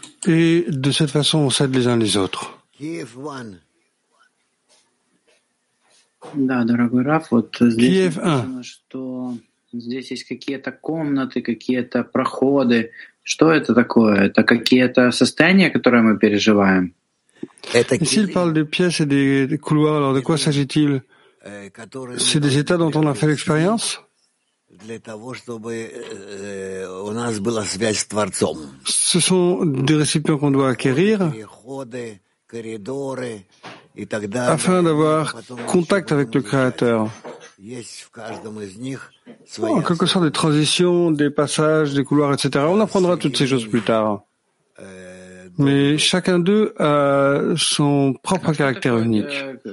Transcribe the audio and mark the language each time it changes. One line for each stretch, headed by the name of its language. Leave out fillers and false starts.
French: Et de cette façon, on s'aide les uns les autres. Kiev One.
Russian: Да, дорогой Раф, вот здесь написано, что здесь есть какие-то комнаты, какие-то проходы. Что это такое? Это какие-то состояния, которые мы переживаем?
French: Ici, il parle des pièces et des couloirs. Alors, de quoi s'agit-il? C'est des états dont on a fait l'expérience?
Russian: Для того, чтобы у нас была связь с Творцом.
French: Ce sont des récipients qu'on doit acquérir.
Russian: Переходы, коридоры и так далее.
French: Afin d'avoir contact avec le Créateur.
Russian: Есть в каждом из них.
French: En quelque sorte, des transitions, des passages, des couloirs, etc. On apprendra toutes ces choses plus tard. Mais chacun d'eux a son propre caractère unique.